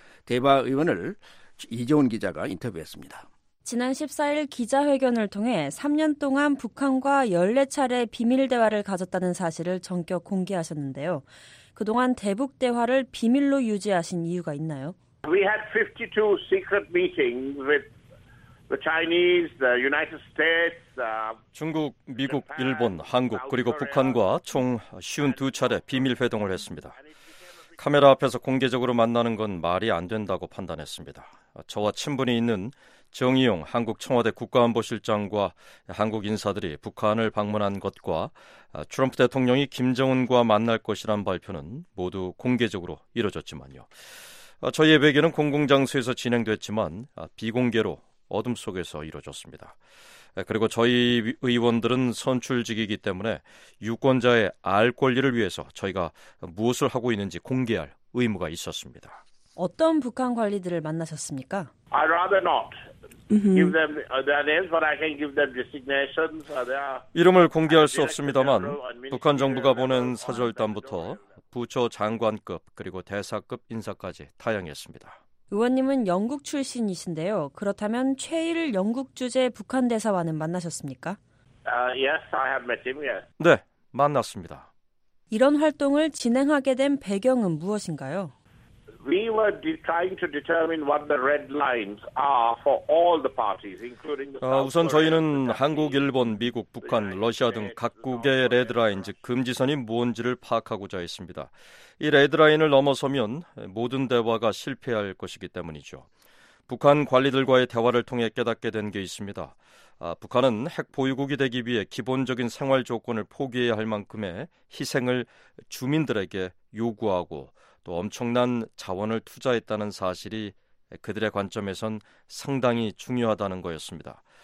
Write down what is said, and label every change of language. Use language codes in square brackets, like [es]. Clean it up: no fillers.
[ko] 대바 의원을 이재훈 기자가 인터뷰했습니다. 지난 14일 기자회견을 통해 3년 동안 북한과 14차례 비밀 대화를 가졌다는 사실을 전격 공개하셨는데요. 그동안 대북 대화를 비밀로 유지하신 이유가 있나요? [en] We had 52 secret meetings with the Chinese, the United States, [ko] 중국, 미국, 일본, 한국 그리고 북한과 총 52차례 비밀 회동을 했습니다. 카메라 앞에서 공개적으로 만나는 건 말이 안 된다고 판단했습니다. 저와 친분이 있는 정의용 한국 청와대 국가안보실장과 한국 인사들이 북한을 방문한 것과 트럼프 대통령이 김정은과 만날 것이란 발표는 모두 공개적으로 이뤄졌지만요. 저희의 외교는 공공장소에서 진행됐지만 비공개로 어둠 속에서 이루어졌습니다. 그리고 저희 의원들은 선출직이기 때문에 유권자의 알 권리를 위해서 저희가 무엇을 하고 있는지 공개할 의무가 있었습니다. 어떤 북한 관리들을 만나셨습니까? [en] I'd rather not give them their names, but I can give them designations. [ko] 이름을 공개할 수 없습니다만 북한 정부가 보낸 사절단부터 부처 장관급 그리고 대사급 인사까지 다양했습니다. 의원님은 영국 출신이신데요. 그렇다면 최일 영국 주재 북한 대사와는 만나셨습니까? [en] Yes, I have met him. Yes. [ko] 네, 만났습니다. 이런 활동을 진행하게 된 배경은 무엇인가요? [en] We were trying to determine what the red lines are for all the parties, including the. [ko] 우선 저희는 한국, 일본, 미국, 북한, 러시아 등 각국의 레드라인, 즉 금지선이 무엇인지를 파악하고자 했습니다. 이 레드라인을 넘어서면 모든 대화가 실패할 것이기 때문이죠. 북한 관리들과의 대화를 통해 깨닫게 된 게 있습니다. 북한은 핵 보유국이 되기 위해 기본적인 생활 조건을 포기해야 할 만큼의 희생을 주민들에게 요구하고 또 엄청난 자원을 투자했다는 사실이 그들의 관점에선 상당히 중요하다는 거였습니다.